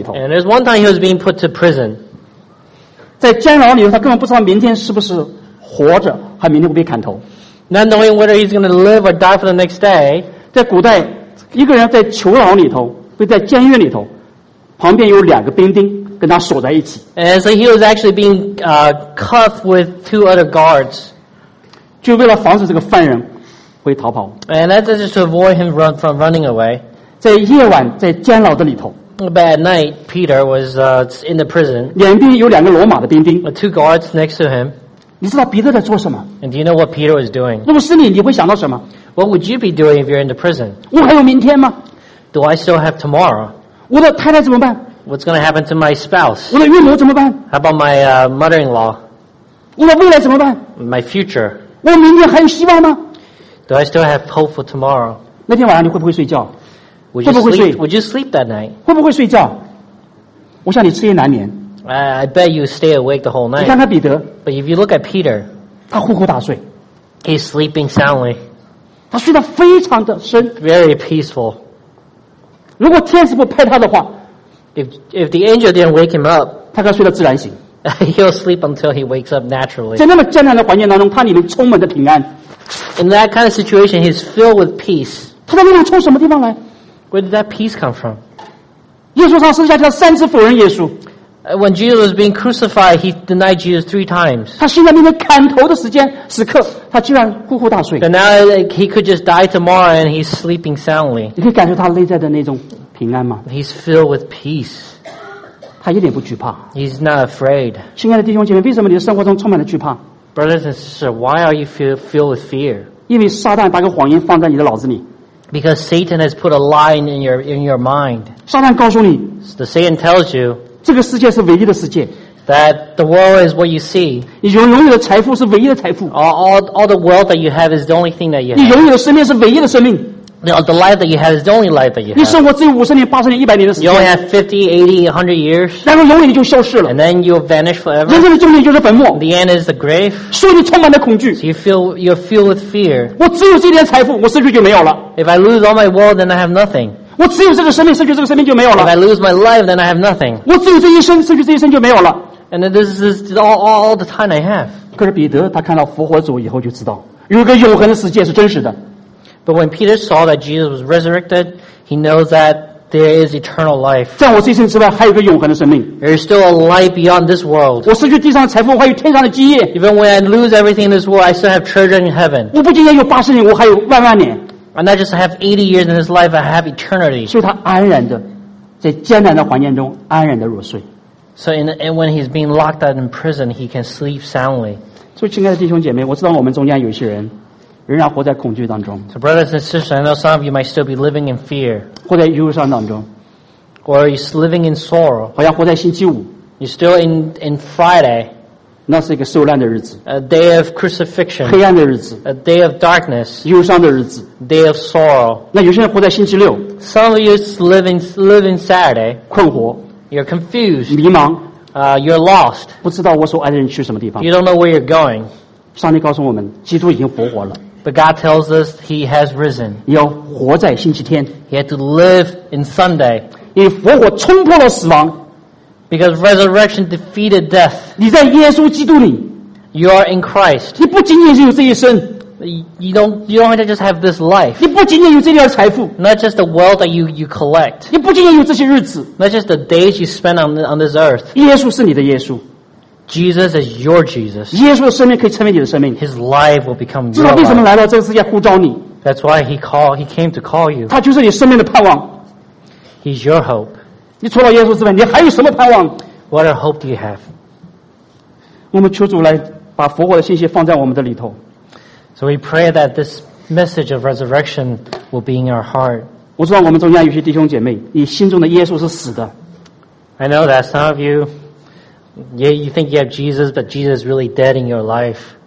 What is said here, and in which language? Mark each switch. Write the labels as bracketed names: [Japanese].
[English] there's one time he was being put to prison. [Chinese] 在监牢里头，他根本不知道明天是不是活着，还明天会被砍头。 [English] Not knowing whether he's going to live or die for the next day. [Chinese] 在古代，一个人在囚牢里头，被在监狱里头，旁边有两个兵丁跟他锁在一起。 [English] And so he was actually being cuffed with two other guards. [Chinese] 就为了防止这个犯人会逃跑。 [English] And that's just to avoid him from running away. [Chinese] 在夜晚，在监牢的里头。 [English] But at night, Peter was in the prison. [Chinese] 两边有两个罗马的兵丁。 [English] With two guards next to him. [Chinese] 你知道彼得在做什么？ [English] And do you know what Peter was doing? [Chinese] 如果是你，你会想到什么？ [English] What would you be doing if you're in the prison? [Chinese] 我还有明天吗？ [English] Do I still have tomorrow? [Chinese] 我的太太怎么办？ [English] What's going to happen to my spouse? [Chinese] 我的岳母怎么办？ [English] How about my mother-in-law? [Chinese] 我的未来怎么办？ [English] My future. [Chinese] 我明天还有希望吗？ [English] Do I still have hope for tomorrow? [Chinese] 那天晚上你会不会睡觉？ [English] Would you, [Chinese] 会不会睡? [English] Would you sleep that night? [Chinese] 会不会睡觉?我想你彻夜难眠。 [English] I bet you stay awake the whole night. [Chinese] 你看看彼得。 [English] But if you look at Peter, [Chinese] 他呼呼大睡。 [English] He's sleeping soundly. [Chinese] 他睡得非常的深。 [English] Very peaceful. [Chinese] 如果天使不拍他的话, [English] if the angel didn't wake him up, [Chinese] 他该睡到自然醒。 [English] He'll sleep until he wakes up naturally. [Chinese] 在那么艰难的环境当中, 他里面充满着平安。 [English] In that kind of situation, he's filled with peace. [Chinese] 他的力量从什么地方来? [English] Where did that peace come from? [Chinese] 耶稣上十字架，他三次否认耶稣。 [English] When Jesus was being crucified, he denied Jesus three times. [Chinese] 他现在面对砍头的时间时刻，他居然呼呼大睡。 [English] But now he could just die tomorrow, and he's sleeping soundly. [Chinese] 你可以感受他内在的那种平安吗？ [English] He's filled with peace. [Chinese] 他一点不惧怕。 [English] He's not afraid. [Chinese] 亲爱的弟兄姐妹，为什么你的生活中充满了惧怕？ [English] Brothers and sisters, why are you filled with fear? [Chinese] 因为撒旦把个谎言放在你的脑子里。 [English] Because Satan has put a lie in your mind. [Chinese] 撒旦告诉你, [English] the Satan tells you, [Chinese] 这个世界是唯一的世界, [English] that the world is what you see. [Chinese] 你永远的财富是唯一的财富, [English] all the wealth that you have is the only thing that you have. [Chinese] 你永远的生命是唯一的生命, [English] the life that you have is the only life that you have. [Chinese] 你生活只有五十年、八十年、一百年的时间, [English] you only have 50, 80, 100 years. [Chinese] 然后永远就消失了, [English] and then you'll vanish forever. [Chinese] 人生的终点就是坟墓, [English] the end is the grave. [Chinese] 所以你充满了恐惧, [English] so you're filled with fear. [Chinese] 我只有这点财富, 我甚至就没有了。 [English] If I lose all my wealth, then I have nothing. [Chinese] 我只有这个生命，失去这个生命就没有了。 [English] If I lose my life, then I have nothing. [Chinese] 我只有这一生，失去这一生就没有了。 [English] And this is all the time I have. [Chinese] 可是彼得他看到复活主以后就知道，有一个永恒的世界是真实的。 [English] But when Peter saw that Jesus was resurrected, he knows that there is eternal life. [Chinese] 在我这一生之外，还有一个永恒的生命。 [English] There is still a life beyond this world. [Chinese] 我失去地上的财富，还有天上的基业。 [English] Even when I lose everything in this world, I still have treasure in heaven. [Chinese] 我不仅仅有八十年，我还有万万年。 [English] And not just have 80 years in his life, I have eternity. [Chinese] 所以他安然的在艰难的环境中安然的入睡。 [English] So and when he's being locked out in prison, he can sleep soundly. [Chinese] 所以亲爱的弟兄姐妹，我知道我们中间有些人仍然活在恐惧当中。 [English] So brothers and sisters, I know some of you might still be living in fear. [Chinese] 活在忧伤当中。 [English] Or you're living in sorrow. [Chinese] 好像活在星期五。 [English] You're still in Friday. [Chinese] 那是一个受难的日子。 [English] A day of crucifixion. [Chinese] 黑暗的日子。 [English] A day of darkness. [Chinese] 忧伤的日子。 [English] Day of sorrow. [Chinese] 那有些人活在星期六。 [English] Some of you living Saturday. [Chinese] 困惑。 [English] You're confused. [Chinese] 迷茫。 [English] You're lost. [Chinese] 不知道我所爱的人去什么地方。 [English] You don't know where you're going. [Chinese] 上帝告诉我们，基督已经复活了。 [English] But God tells us He has risen. [Chinese] 要活在星期天。 [English] He had to live in Sunday. [Chinese] 因为复活冲破了死亡。 [English] Because resurrection defeated death. [Chinese] 你在耶稣基督里。 [English] You are in Christ. [Chinese] 你不仅仅是有这一生。 [English] You don't just have this life. [Chinese] 你不仅仅有这点财富。 [English] Not just the wealth that you collect. [Chinese] 你不仅仅有这些日子。 [English] Not just the days you spend on this earth. [Chinese] 耶稣是你的耶稣。 [English] Jesus is your Jesus. [Chinese] 耶稣的生命可以成为你的生命。 [English] His life will become your life. [Chinese] 知道为什么来到这个世界呼召你。 [English] That's why he came to call you. [Chinese] 他就是你生命的盼望。 [English] He's your hope. [Chinese] 你除了耶稣之外，你还有什么盼望 [English] ？What a hope do you have？ [Chinese] 我们求主来把复活的信息放在我们的里头。 [English] So we pray that this message of resurrection will be in our heart。 [Chinese] 我知道我们中间有些弟兄姐妹，你心中的耶稣是死的。 [English] I know that some of you, yeah, you think you have Jesus, but Jesus is really dead in your life。